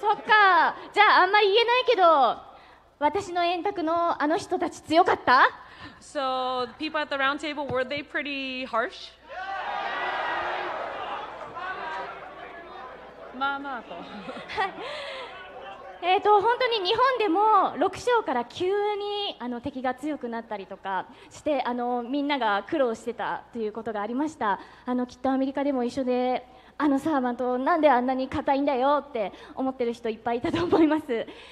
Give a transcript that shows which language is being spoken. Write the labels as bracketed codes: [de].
[ja] そっか、じゃああんまり言えないけど、私の円卓のあの人たち強かった？ [en] So, the people at the round table, were they pretty harsh? [ja] まあまあと。本当に日本でも6章から急に敵が強くなったりとかして、みんなが苦労してたということがありました。きっとアメリカでも一緒で、あのサーバントなんであんなに硬いんだよって思ってる人いっぱいいたと思います。